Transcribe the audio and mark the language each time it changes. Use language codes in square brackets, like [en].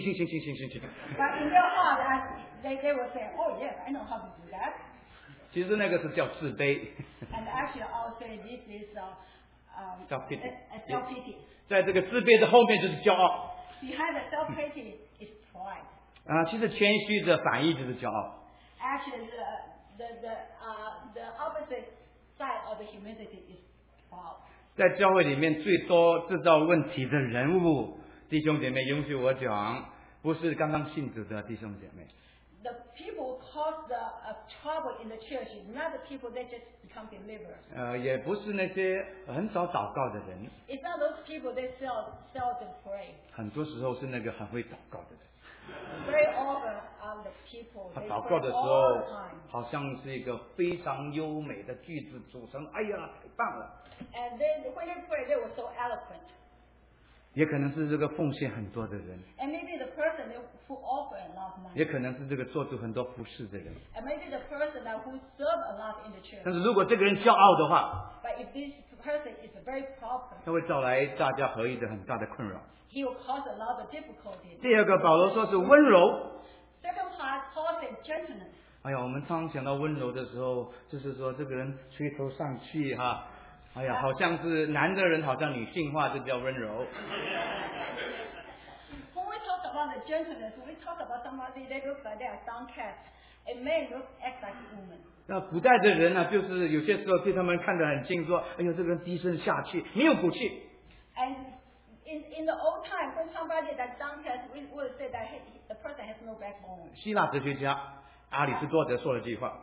[en] But in your heart, they will say, oh yes, I know how to do that. [zh] 其实那个是叫自卑。 [en] And actually, I'll say this is self pity. [zh] 在这个自卑的后面就是骄傲。 [en] Behind the self pity is pride. [zh] 其实谦虚的反义就是骄傲。 [en] Actually, the opposite side of the humility is proud. [zh] 在教会里面最多制造问题的人物，弟兄姐妹，允许我讲，不是刚刚信主的弟兄姐妹。 [en] The people cause the trouble in the church, not the people that just become believers. [zh] 也不是那些很少祷告的人。 [en] It's not those people that seldom pray. [zh] 很多时候是那个很会祷告的人。 [en] Very often are the people. [zh] 他祷告的时候，好像是一个非常优美的句子组成。哎呀，太棒了！ [en] And then when they pray, they were so eloquent. [zh] 也可能是这个奉献很多的人。 [en] And maybe the person who offered a lot of money. [zh] 也可能是这个做出很多服侍的人。 [en] And maybe the person who served a lot in the church. [zh] 但是如果这个人骄傲的话， [en] But if this person is very very problem. [zh] 他会造来大家合一的很大的困扰。 [en] He will cause a lot of difficulty. [zh] 第二个，保罗说是温柔。 [en] Second part, Paul said gentleness. [zh] 哎呀，我们常想到温柔的时候，就是说这个人垂头丧气哈。哎呀，好像是男的人，好像女性化就叫温柔。 [en] When we talk about the gentleness, we talk about somebody that looks like they are downcast. A man looks act like a woman. [zh] 那古代的人呢，就是有些时候对他们看得很轻，说，哎呀，这个人低声下气，没有骨气。 [en] And in the old time, when somebody that downcast, we would say that the person has no backbone. [zh] 希腊哲学家阿里士多德说了一句话。